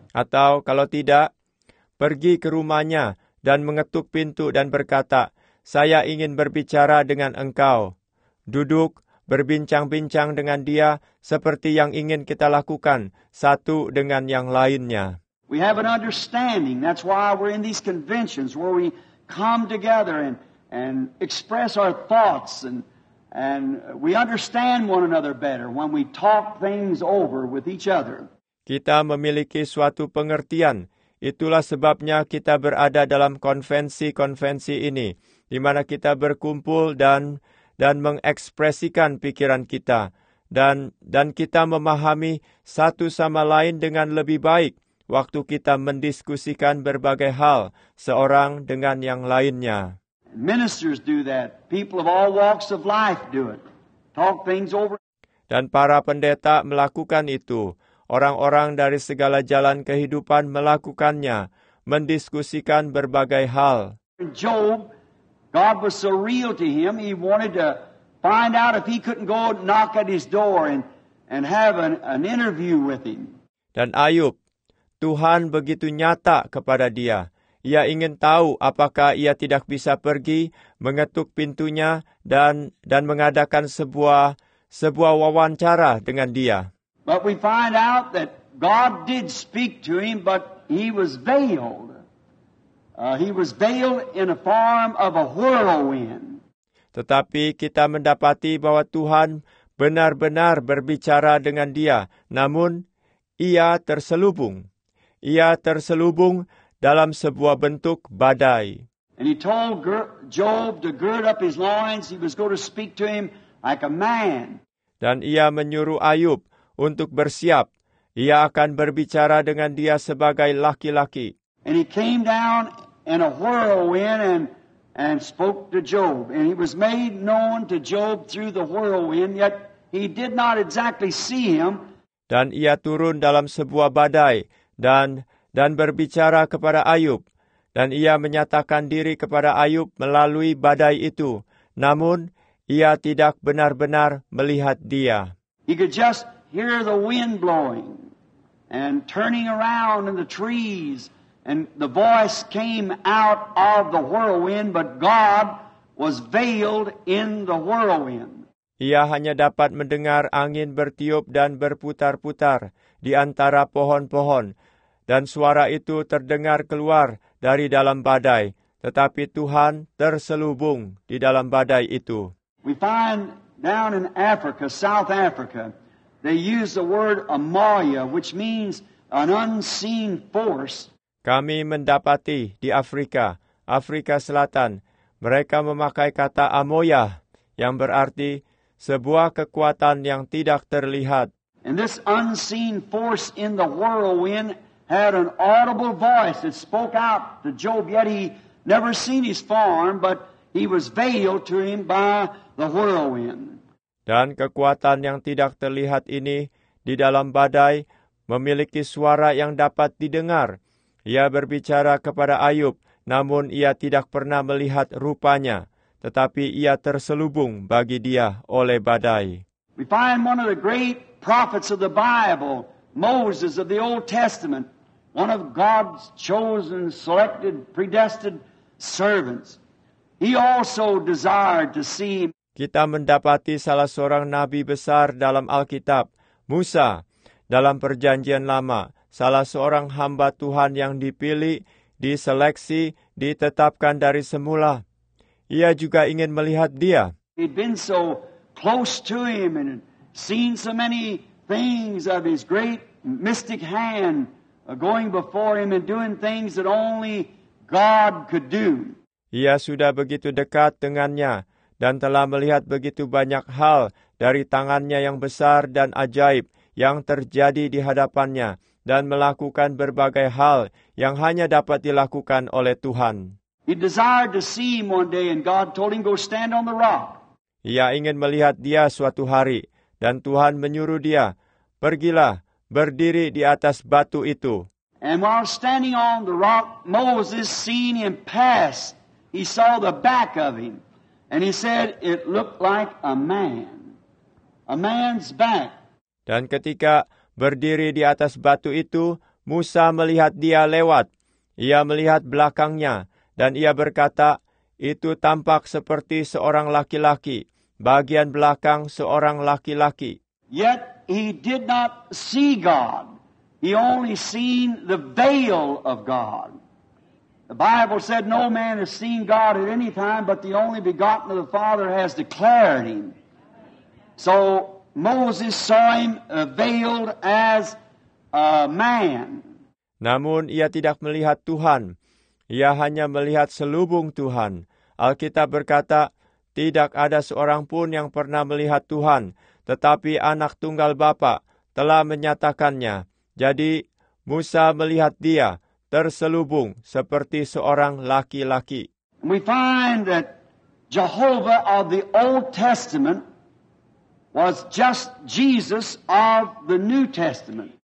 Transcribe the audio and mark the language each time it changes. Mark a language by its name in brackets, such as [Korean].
[Indonesian] Atau kalau tidak, pergi ke rumahnya dan mengetuk pintu dan berkata, saya ingin berbicara dengan engkau. Duduk, berbincang-bincang dengan dia seperti yang ingin kita lakukan, satu dengan yang lainnya. [English] We have an understanding. That's why we're in these conventions where we come together and express our thoughts and we understand one another better when we talk things over with each other. [Indonesian] Kita memiliki suatu pengertian. Itulah sebabnya kita berada dalam konvensi-konvensi ini, di mana kita berkumpul dan mengekspresikan pikiran kita, dan kita memahami satu sama lain dengan lebih baik waktu kita mendiskusikan berbagai hal seorang dengan yang lainnya. [English] Ministers do that. People of all walks of life do it. Talk things over. [Indonesian] Dan para pendeta melakukan itu. Orang-orang dari segala jalan kehidupan melakukannya, mendiskusikan berbagai hal. [English] Job, God was so real to him, he wanted to find out if he couldn't go knock at his door and have an interview with him. [Indonesian] Dan Ayub, Tuhan begitu nyata kepada dia. Ia ingin tahu apakah ia tidak bisa pergi, mengetuk pintunya, dan mengadakan sebuah wawancara dengan dia. [English] But we find out that God did speak to him, but he was veiled. He was veiled in a form of a whirlwind. [Indonesian] Tetapi kita mendapati bahwa Tuhan benar-benar berbicara dengan dia. Namun, ia terselubung. Ia terselubung dalam sebuah bentuk badai. [English] And he told Job to gird up his loins. He was going to speak to him like a man. [Indonesian] Dan ia menyuruh Ayub untuk bersiap, ia akan berbicara dengan dia sebagai laki-laki. [English] And he came down in a whirlwind and spoke to Job. And he was made known to Job through the whirlwind, yet he did not exactly see him. [Indonesian] Dan ia turun dalam sebuah badai dan berbicara kepada Ayub. Dan ia menyatakan diri kepada Ayub melalui badai itu. Namun, ia tidak benar-benar melihat dia. [English] He could just hear the wind blowing and turning around in the trees, and the voice came out of the whirlwind, but God was veiled in the whirlwind. [Indonesian] Ia hanya dapat mendengar angin bertiup dan berputar-putar di antara pohon-pohon, dan suara itu terdengar keluar dari dalam badai, tetapi Tuhan terselubung di dalam badai itu. [English] We find down in Africa, South Africa, they use the word amaya, which means an unseen force. [Indonesian] Kami mendapati di Afrika, Afrika Selatan, mereka memakai kata amoya, yang berarti sebuah kekuatan yang tidak terlihat. [English] And this unseen force in the whirlwind had an audible voice that spoke out to Job, yet he never seen his form, but he was veiled to him by the whirlwind. [Indonesian] Dan kekuatan yang tidak terlihat ini di dalam badai memiliki suara yang dapat didengar. Ia berbicara kepada Ayub, namun ia tidak pernah melihat rupanya, tetapi ia terselubung bagi dia oleh badai. [English] We find one of the great prophets of the Bible, Moses of the Old Testament, one of God's chosen, selected, predestined servants. He also desired to see. [Indonesian] Kita mendapati salah seorang nabi besar dalam Alkitab, Musa, dalam Perjanjian Lama, salah seorang hamba Tuhan yang dipilih, diseleksi, ditetapkan dari semula. Ia juga ingin melihat dia. [English] He'd been so close to him and seen so many things of his great mystic hand going before him and doing things that only God could do. [Indonesian] Ia sudah begitu dekat dengannya dan telah melihat begitu banyak hal dari tangannya yang besar dan ajaib yang terjadi di hadapannya dan melakukan berbagai hal yang hanya dapat dilakukan oleh Tuhan. [English] He desired to see him one day and God told him go stand on the rock. [Indonesian] Ia ingin melihat dia suatu hari dan Tuhan menyuruh dia, "Pergilah, berdiri di atas batu itu." [English] And while standing on the rock, Moses seen him pass. He saw the back of him and he said it looked like a man. A man's back. [Indonesian] Dan ketika berdiri di atas batu itu, Musa melihat dia lewat. Ia melihat belakangnya. Dan ia berkata, itu tampak seperti seorang laki-laki, bagian belakang seorang laki-laki. [English] Yet he did not see God. He only seen the veil of God. The Bible said no man has seen God at any time, but the only begotten of the Father has declared him. So Moses saw him veiled as a man. [Indonesian] Namun ia tidak melihat Tuhan. Ia hanya melihat selubung Tuhan. Alkitab berkata, tidak ada seorang pun yang pernah melihat Tuhan, tetapi anak tunggal Bapa telah menyatakannya. Jadi, Musa melihat dia terselubung seperti seorang laki-laki. [English] We find that Jehovah of the Old Testament was just Jesus of the New Testament.